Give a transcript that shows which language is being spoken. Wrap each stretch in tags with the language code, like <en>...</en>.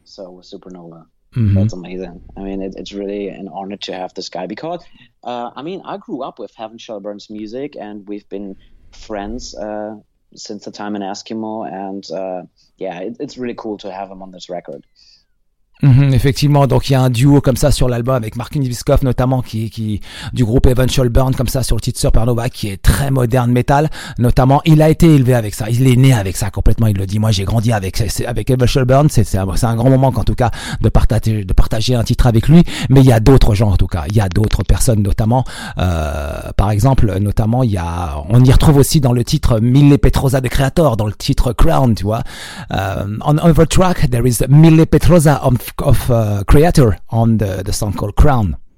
<en>So with Supernova, that's amazing. I mean, it's really an honor to have this guy because, I mean, I grew up with Everschulberg's music and we've been friends since the time in Eskimo, and it's really cool to have him on this record.</en> <fr>Effectivement, donc il y a un duo comme ça sur l'album avec Martin Biscoff notamment qui du groupe Eventual Burn comme ça sur le titre Supernova qui est très moderne metal notamment. Il a été élevé avec ça, il est né avec ça complètement, il le dit, moi j'ai grandi avec Eventual Burn, c'est un grand moment en tout cas de partager un titre avec lui, mais il y a d'autres gens en tout cas, il y a d'autres personnes notamment par exemple notamment on y retrouve aussi dans le titre Mille Petrosa de Creator, dans le titre Crown, tu vois.</fr> <en>On Overtrack there is Mille Petrosa of Creator on the song called Crown.</en>